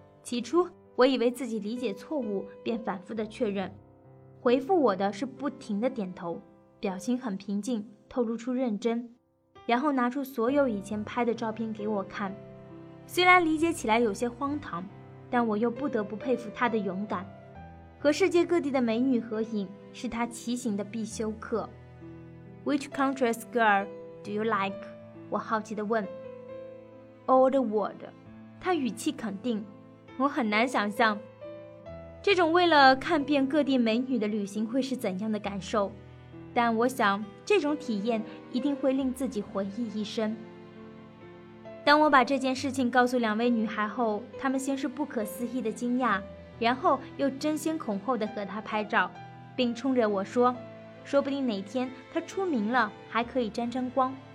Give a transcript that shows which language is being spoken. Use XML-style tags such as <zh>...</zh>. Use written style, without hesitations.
<zh>起初我以为自己理解错误，便反复的确认，回复我的是不停的点头，表情很平静，透露出认真，然后拿出所有以前拍的照片给我看。虽然理解起来有些荒唐，但我又不得不佩服他的勇敢。和世界各地的美女合影是他骑行的必修课。</zh> <en>Which country's girl do you like?</en> <zh>我好奇地问。</zh> <en>All the world.</en> <zh>他语气肯定。我很难想象这种为了看遍各地美女的旅行会是怎样的感受，但我想这种体验一定会令自己回忆一生。当我把这件事情告诉两位女孩后，她们先是不可思议的惊讶，然后又争先恐后地和她拍照，并冲着我说，说不定哪天她出名了还可以沾沾光。</zh>